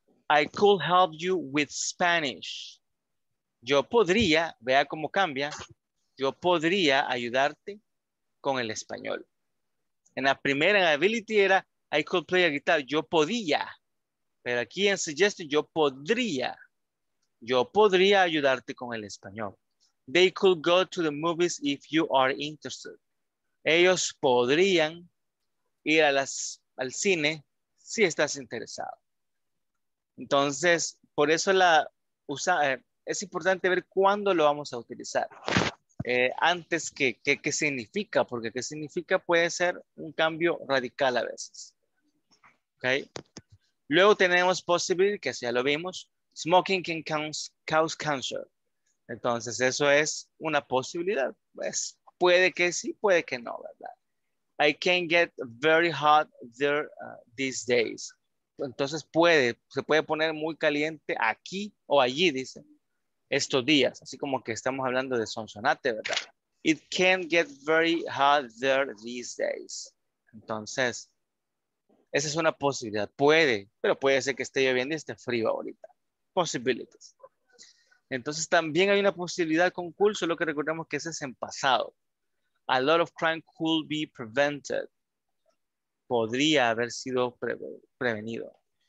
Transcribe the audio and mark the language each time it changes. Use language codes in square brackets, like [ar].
[en] I could help you with Spanish. [es] Yo podría, vea cómo cambia, yo podría ayudarte con el español. En la primera, en ability, era [en] I could play a guitar, [es] yo podía. Pero aquí en suggestion, yo podría ayudarte con el español. [en] They could go to the movies if you are interested. [es] Ellos podrían ir al cine si estás interesado. Entonces, por eso es importante ver cuándo lo vamos a utilizar. Antes que qué significa, porque qué significa puede ser un cambio radical a veces. Okay. Luego tenemos possible, que ya lo vimos. [en] Smoking can cause cancer. [es] Entonces, eso es una posibilidad. Pues, puede que sí, puede que no, ¿verdad? [en] I can get very hot there these days. [es] Entonces se puede poner muy caliente aquí o allí, dice. estos días, así como que estamos hablando de Sonsonate, ¿verdad? [en] It can get very hot there these days. [es] Entonces, esa es una posibilidad. Puede, pero puede ser que esté lloviendo y esté frío ahorita. Possibilities. Entonces, también hay una posibilidad con cool, solo que recordemos que ese es en pasado. [en] A lot of crime could be prevented. [es] Podría haber sido prevenido.